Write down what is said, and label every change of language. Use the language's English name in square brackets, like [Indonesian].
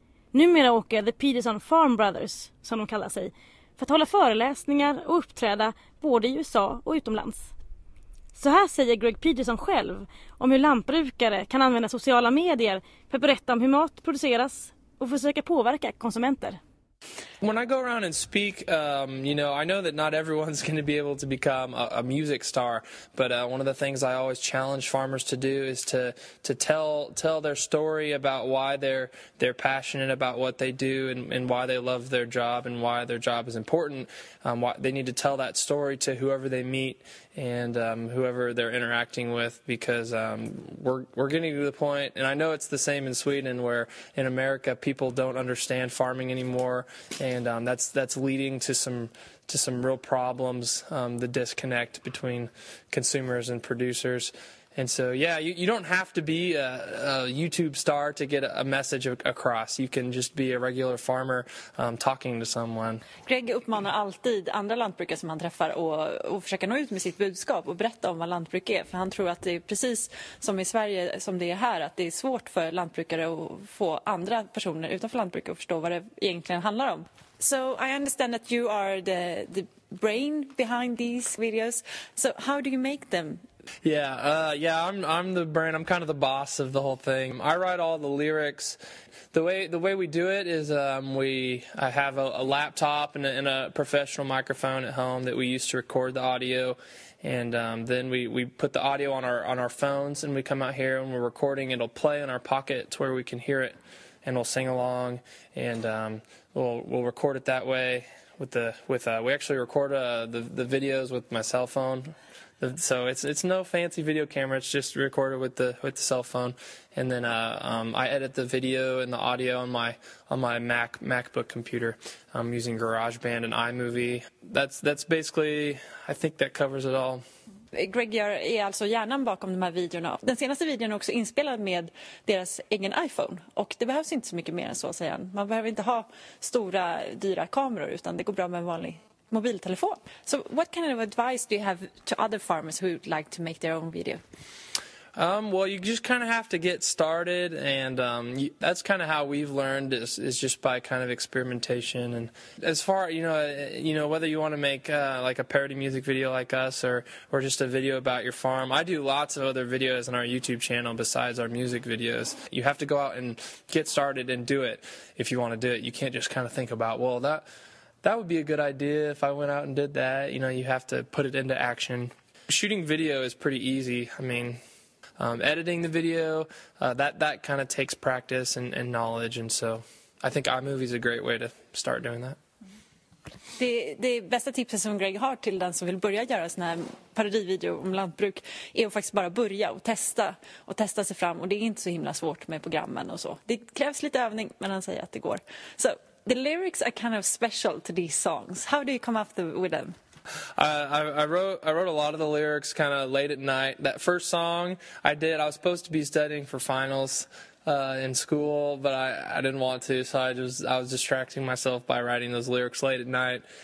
[Swedish] Numera åker The Peterson Farm Brothers, som de kallar sig, för att hålla föreläsningar och uppträda både i USA och utomlands. Så här säger Greg Peterson själv om hur lantbrukare kan använda sociala medier för att berätta om hur mat produceras och försöka påverka konsumenter. [English] When I go around and speak, you know, I know that not everyone's going to be able to become a music star, but one of the things I always challenge farmers to do is to tell their story about why they're passionate about what they do and why they love their job and why their job is important. Why they need to tell that story to whoever they meet and whoever they're interacting with, because we're getting to the point, and I know it's the same in Sweden, where in America people don't understand farming anymore. And that's leading to some real problems, the disconnect between consumers and producers. And so, yeah, you don't have to be a YouTube star to get a message across. You can just be a regular farmer talking to someone. [Swedish] Greg uppmanar alltid andra lantbrukare som han träffar att försöka nå ut med sitt budskap och berätta om vad lantbruk är. För han tror att det är precis som i Sverige, som det är här, att det är svårt för lantbrukare att få andra personer utanför lantbruket att förstå vad det egentligen handlar om. [English] So I understand that you are the brain behind these videos. So how do you make them? Yeah, I'm the brand. I'm kind of the boss of the whole thing. I write all the lyrics. The way we do it is I have a laptop and a professional microphone at home that we use to record the audio, and then we put the audio on our phones, and we come out here and we're recording. It'll play in our pockets where we can hear it, and we'll sing along, and we'll record it that way we actually record the videos with my cell phone. So it's no fancy video camera. It's just recorded with the cell phone, and then I edit the video and the audio on my MacBook computer. I'm using GarageBand and iMovie. That's basically, I think that covers it all. [Swedish] Greg är alltså hjärnan bakom de här videorna. Den senaste videon är också inspelad med deras egen iPhone. Och det behövs inte så mycket mer än så, säger han. Man behöver inte ha stora dyra kameror, utan det går bra med en vanlig mobiltelefon. [English] So what kind of advice do you have to other farmers who would like to make their own video? Well, you just kind of have to get started, and that's kind of how we've learned, is just by kind of experimentation. And as far, you know, whether you want to make like a parody music video like us, or just a video about your farm, I do lots of other videos on our YouTube channel besides our music videos. You have to go out and get started and do it if you want to do it. You can't just kind of think about, well, that would be a good idea if I went out and did that. You know, you have to put it into action. Shooting video is pretty easy. I mean, editing the video, that kind of takes practice and knowledge. And so I think iMovie is a great way to start doing that. [Swedish] Det bästa tipset som Greg har till den som vill börja göra såna här parodivideo om lantbruk är att faktiskt bara börja och testa sig fram. Och det är inte så himla svårt med programmen och så. Det krävs lite övning, men han säger att det går. Så... [English] The lyrics are kind of special to these songs. How do you come up with them? I wrote a lot of the lyrics kind of late at night. That first song I did, I was supposed to be studying for finals in school, but I didn't want to, so I was distracting myself by writing those lyrics late at night.